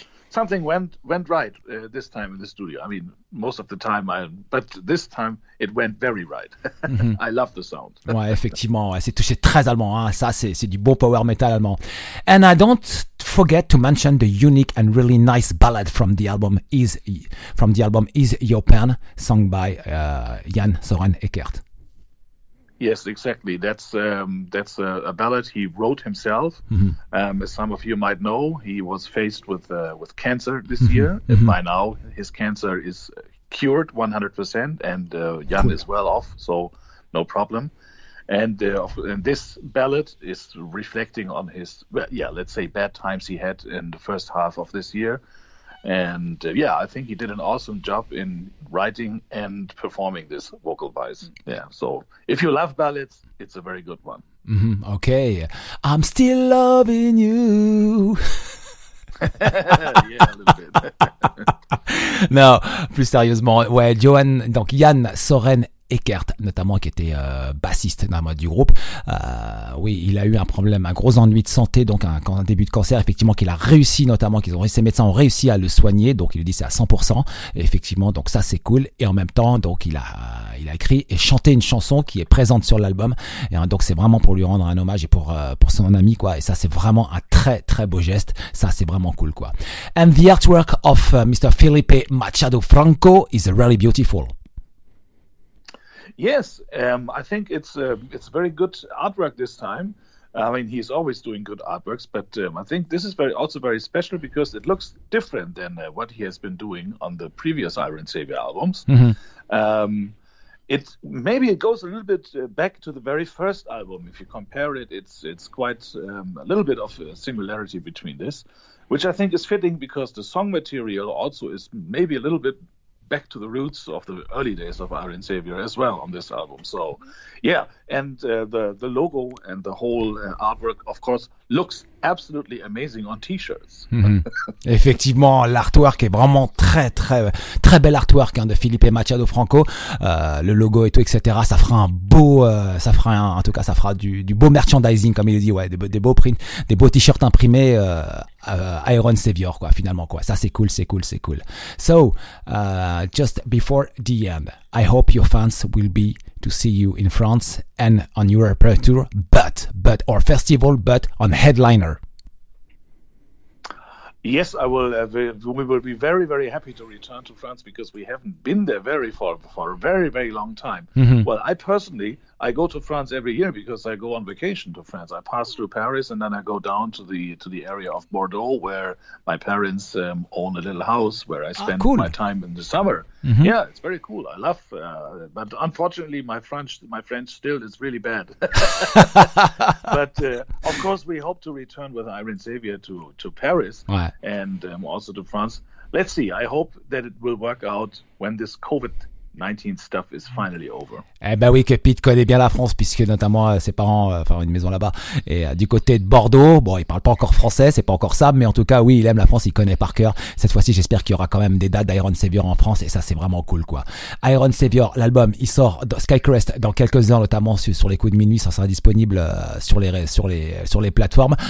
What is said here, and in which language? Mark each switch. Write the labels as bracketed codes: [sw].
[en] Something went right this time in the studio. I mean, most of the time, but this time it went very right. I love the sound. [fr] Ouais, effectivement, ouais, c'est très allemand. Hein. Ça, c'est du beau power metal allemand. [en] And I don't forget to mention the unique and really nice ballad from the album is Your Pen, sung by Jan Søren Eckert. Yes, exactly. That's a ballad he wrote himself. As some of you might know, he was faced with cancer this year. By now, his cancer is cured 100%, and Jan is well off, so no problem. And this ballad is reflecting on his, let's say, bad times he had in the first half of this year. And I think he did an awesome job in writing and performing this vocal wise. Yeah, so if you love ballads, it's a very good one. Okay, I'm still loving you. Yeah, a little bit. [fr] No, plus sérieusement, ouais, Johan, donc Jan Søren Eckert, notamment, qui était bassiste dans du groupe. Oui, il a eu un problème, un gros ennui de santé, donc un début de cancer, effectivement, qu'il a réussi, notamment, ses médecins ont réussi à le soigner, donc il lui dit c'est à 100%, et effectivement, donc ça c'est cool, et en même temps, donc il a écrit et chanté une chanson qui est présente sur l'album, et donc c'est vraiment pour lui rendre un hommage et pour son ami, quoi, et ça c'est vraiment un très très beau geste, ça c'est vraiment cool, quoi. [en] And the artwork of Mr. Felipe Machado Franco is really beautiful. Yes, I think it's very good artwork this time. I mean, he's always doing good artworks, but I think this is very special because it looks different than what he has been doing on the previous Iron Savior albums. It goes a little bit back to the very first album. If you compare it, it's quite a little bit of a similarity between this, which I think is fitting because the song material also is maybe a little bit back to the roots of the early days of Iron Savior as well on this album. So, the logo and the whole artwork, of course, looks absolutely amazing on t-shirts. [fr] Effectivement, l'artwork est vraiment très, très, très bel artwork hein, de Felipe Machado Franco. Le logo et tout, etc. Ça fera un beau, en tout cas, ça fera du beau merchandising, comme il dit, ouais, des beaux prints, des beaux t-shirts imprimés. Iron Savior, quoi, finalement, quoi. Ça, c'est cool. [en] So, just before the end, I hope your fans will be to see you in France and on Europe tour, but, or festival, but on headliner. Yes, I will. We will be very, very happy to return to France because we haven't been there very far for a very, very long time. Mm-hmm. Well, I personally, I go to France every year because I go on vacation to France. I pass through Paris and then I go down to the area of Bordeaux where my parents own a little house where I spend my time in the summer. Mm-hmm. Yeah, it's very cool. I love but unfortunately, my French still is really bad. But of course, we hope to return with Irene Xavier to Paris. Right. And also to France. Let's see. I hope that it will work out when this COVID-19 stuff is finally over. [fr] Eh ben oui, que Pete connaît bien la France, puisque notamment ses parents, enfin une maison là-bas, et du côté de Bordeaux. Bon, il parle pas encore français, c'est pas encore ça, mais en tout cas, oui, il aime la France, il connaît par cœur. Cette fois-ci, j'espère qu'il y aura quand même des dates d'Iron Savior en France, et ça, c'est vraiment cool, quoi. Iron Savior, l'album, il sort dans Skycrest dans quelques heures, notamment sur les coups de minuit, ça sera disponible sur les plateformes.